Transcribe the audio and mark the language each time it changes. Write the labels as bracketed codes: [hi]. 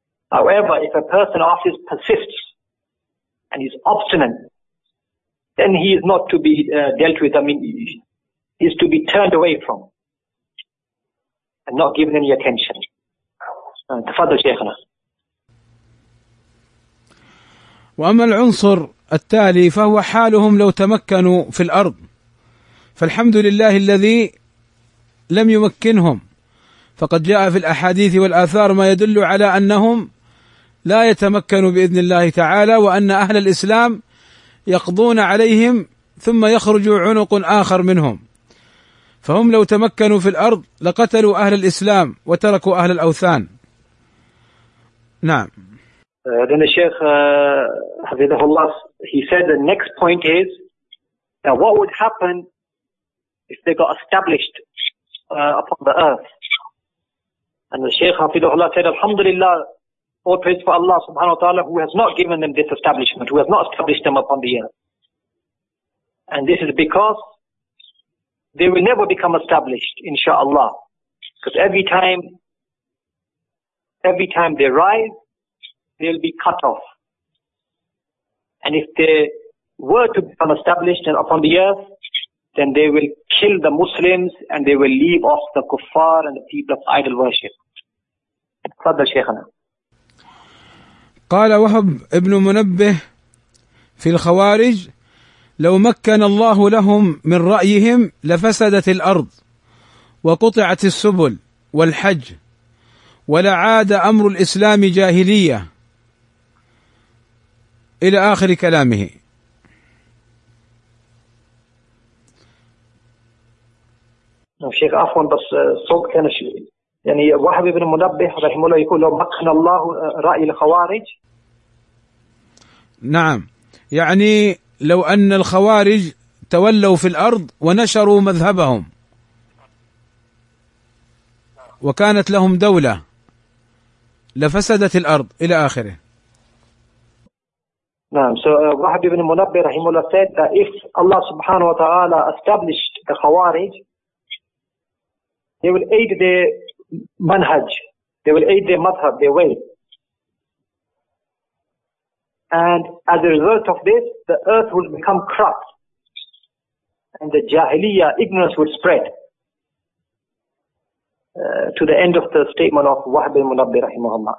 [en] However, if a person always persists and he's obstinate, then he is not to be dealt with. I mean, he is to be turned away from and not given any attention. [ar] Tafadhal Shaykhana. وأما العنصر التالي فهو حالهم لو تمكنوا في الأرض، فالحمد لله الذي لم يمكنهم، فقد جاء في الأحاديث والآثار ما يدل على أنهم لا يتمكنوا بإذن الله تعالى، وأن أهل الإسلام يقضون عليهم ثم يخرج عنق آخر منهم، فهم لو تمكنوا في الأرض لقتلوا أهل الإسلام وتركوا أهل الأوثان. نعم. [en] Then the Sheikh Hafidhullah, he said the next point is, now what would happen if they got established upon the earth? And the Sheikh Hafidhullah said, Alhamdulillah, all praise for Allah subhanahu wa ta'ala, who has not given them this establishment, who has not established them upon the earth. And this is because they will never become established, inshaAllah. Because every time they rise, they'll be cut off. And if they were to become established upon the earth, then they will kill the Muslims and they will leave off the kuffar and the people of idol worship. [ar] Fadal Shaykhana. قال وهب ابن منبه في الخوارج: لو مكن الله لهم من رأيهم لفسدت الأرض وقطعت السبل والحج ولعاد أمر الإسلام جاهلية، إلى آخر كلامه. شيخ عفوا بس صوت كان يعني وهب ابن منبه رحمه الله يقول لو مكن الله رأي الخوارج. نعم، يعني لو أن الخوارج تولوا في الأرض ونشروا مذهبهم وكانت لهم دولة لفسدت الأرض، إلى آخره. نعم. [en] So Wahab ibn Munabbih rahimahullah said that if Allah subhanahu wa ta'ala established the khawarij, they will aid their manhaj, they will aid their madhab, their way. And as a result of this, the earth will become corrupt and the jahiliyyah, ignorance will spread to the end of the statement of Wahab ibn Munabbih rahimahullah.